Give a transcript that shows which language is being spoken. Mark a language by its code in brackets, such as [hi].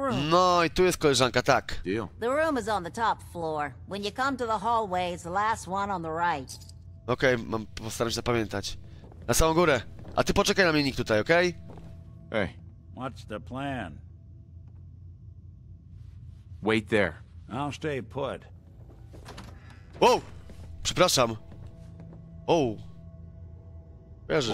[pl] No i tu jest koleżanka, tak. [en] The room is on the top floor. When you come to the hallway, it's the last one on the right. [pl] Okej, mam postaram się zapamiętać. Na samą górę. A ty poczekaj na mnie nikt tutaj, okej? [en] Hey. What's the plan? Wait there. I'll stay put. [pl] Wow! Przepraszam. Oh. Wierzę.